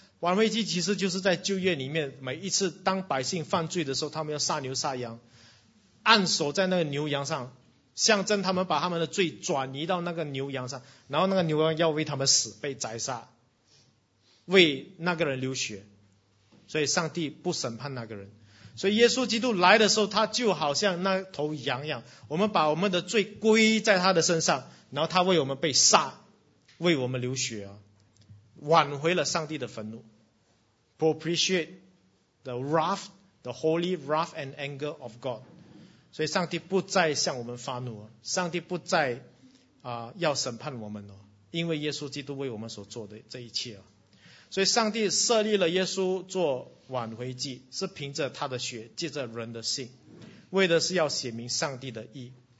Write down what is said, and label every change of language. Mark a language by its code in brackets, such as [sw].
[zh] 挽回祭其实就是在旧约里面，每一次当百姓犯罪的时候，他们要杀牛杀羊，按手在那个牛羊上，象征他们把他们的罪转移到那个牛羊上，然后那个牛羊要为他们死，被宰杀，为那个人流血，所以上帝不审判那个人。所以耶稣基督来的时候，他就好像那头羊一样，我们把我们的罪归在他的身上，然后他为我们被杀，为我们流血啊，挽回了上帝的愤怒。 [en] Propitiate the wrath, the holy wrath and anger of God. [zh] 所以上帝不再向我们发怒，上帝不再要审判我们，因为耶稣基督为我们所做的这一切。所以上帝设立了耶稣做挽回祭，是凭着他的血，借着人的信，为的是要写明上帝的义。